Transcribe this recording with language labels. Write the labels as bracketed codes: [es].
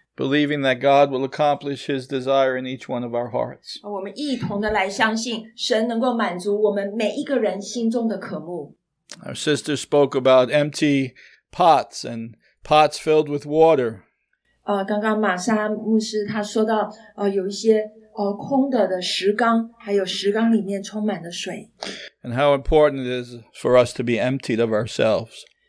[en] Believing that God will accomplish His desire in each one of our hearts. [zh] 我们一同的来相信，神能够满足我们每一个人心中的渴慕。 [en] Our sister spoke about empty pots and pots filled with water. [zh] 刚刚玛莎牧师他说到，有一些空的石缸，还有石缸里面充满了水。 [en] And how important it is for us to be emptied of ourselves.